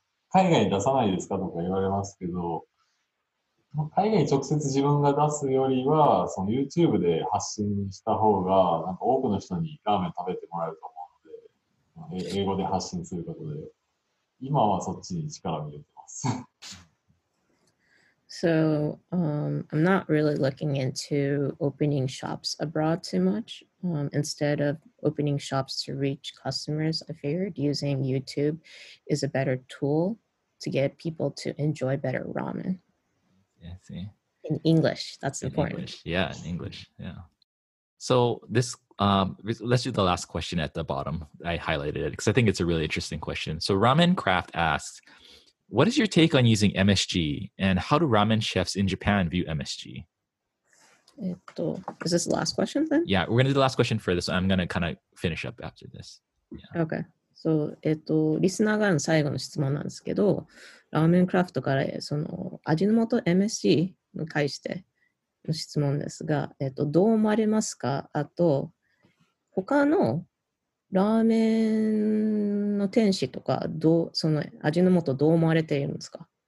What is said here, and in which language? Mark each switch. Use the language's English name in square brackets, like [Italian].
[Japanese] 海外に出さないですかとか言われますけど、海外に直接自分が出すよりは、その YouTube で発信した方が、なんか多くの人にラーメン食べてもらえると思うので、英語で発信することで、今はそっちに力を入れてます。 [English] So, I'm not really looking into opening shops abroad too much. Instead of opening shops to reach customers, I figured using YouTube is a better tool to get people to enjoy better ramen. Yeah, see. In English, that's important. In English. So, this let's do the last question at the bottom. I highlighted it because I think it's a really interesting question. So, Ramen Craft asks, what is your take on using MSG and how do ramen chefs in Japan view MSG? Is this the last question then? Yeah, we're going to do the last question for this. So I'm going to kind of finish up after this. Yeah. Okay. [Japanese] So, リスナーからの最後の質問なんですけど、ラーメンクラフトからその味の素 MSG に対しての質問ですが、どう思われますか？あと、他のラーメンの天使とかどうその味の素どう思われているんですか？